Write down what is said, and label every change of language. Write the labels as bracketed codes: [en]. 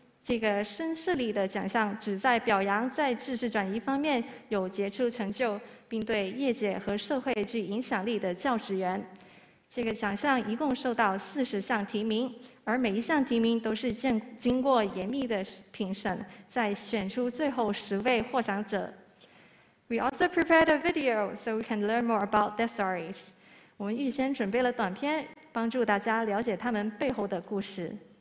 [zh] 这个新设立的奖项旨在表扬在知识转移方面有杰出成就，并对业界和社会具影响力的教职员。这个奖项一共受到40项提名，而每一项提名都是经过严密的评审，再选出最后10位获奖者。 [en] We also prepared a video so we can learn more about their stories. [zh] 我们预先准备了短片，帮助大家了解他们背后的故事。